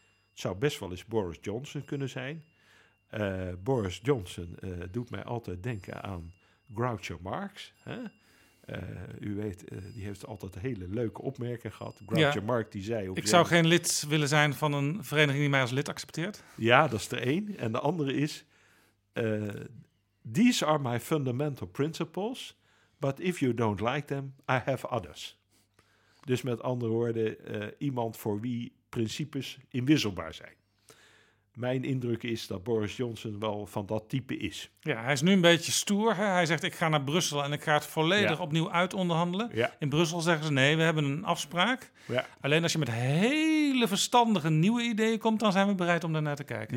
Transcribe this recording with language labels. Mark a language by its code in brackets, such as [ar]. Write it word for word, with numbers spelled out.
[nl] Het zou best wel eens Boris Johnson kunnen zijn. Uh, Boris Johnson uh, doet mij altijd denken aan Groucho Marx, hè? Uh, u weet, uh, die heeft altijd hele leuke opmerkingen gehad. Groucho ja. Marx die zei... Op ik zou geen lid willen zijn van een vereniging die mij als lid accepteert. Ja, dat is er één. En de andere is... [en] Uh, These are my fundamental principles, but if you don't like them, I have others. [nl] Dus met andere woorden, uh, iemand voor wie principes inwisselbaar zijn. Mijn indruk is dat Boris Johnson wel van dat type is. Ja, hij is nu een beetje stoer. Hè? Hij zegt, ik ga naar Brussel en ik ga het volledig ja. opnieuw uitonderhandelen. Ja. In Brussel zeggen ze, nee, we hebben een afspraak. Ja. Alleen als je met hele verstandige nieuwe ideeën komt, dan zijn we bereid om daarnaar te kijken.